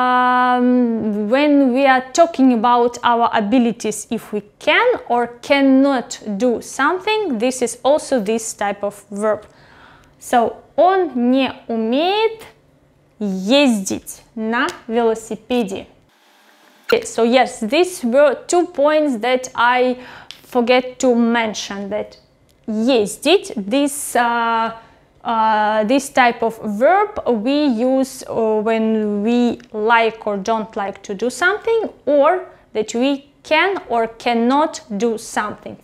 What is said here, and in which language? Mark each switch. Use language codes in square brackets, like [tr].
[en] When we are talking about our abilities, if we can or cannot do something, this is also this type of verb. [ru] So, он не умеет ездить на велосипеде. [en] Okay, so, yes, these were two points that I forget to mention, that ездить, this type of verb we use when we like or don't like to do something, or that we can or cannot do something.